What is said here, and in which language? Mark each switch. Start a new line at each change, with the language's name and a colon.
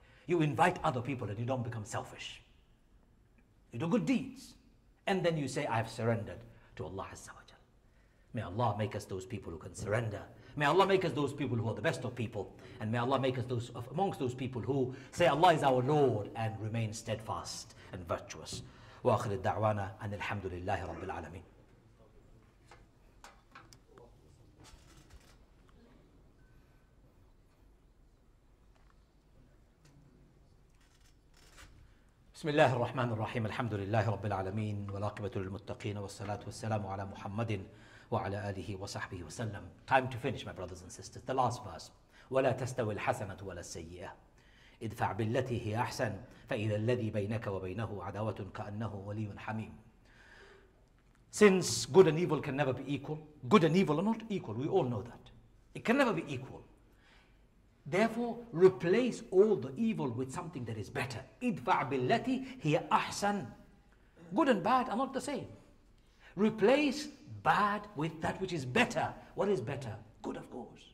English: You invite other people and you don't become selfish. You do good deeds. And then you say, I have surrendered to Allah Azza wa Jal. May Allah make us those people who can surrender. May Allah make us those people who are the best of people. And may Allah make us those amongst those people who say Allah is our Lord and remain steadfast and virtuous.
Arabic: وآخر الدعوانا أن الحمد لله رب العالمين. بسم الله الرحمن الرحيم الحمد لله رب العالمين والعاقبة للمتقين والصلاة والسلام على محمد وعلى آله وصحبه وسلم.
English: Time to finish, my brothers and sisters. The last verse.
Arabic: ولا تستوي الحسنة ولا السيئة. ادفع بالتي هي أحسن فإذا الذي بينك وبينه عداوة كأنه ولي حميم.
English: Since good and evil can never be equal, good and evil are not equal, we all know that. It can never be equal. Therefore, replace all the evil with something that is better.
Arabic: ادفع بالتي هي أحسن.
English: Good and bad are not the same. Replace bad with that which is better. What is better? Good, of course.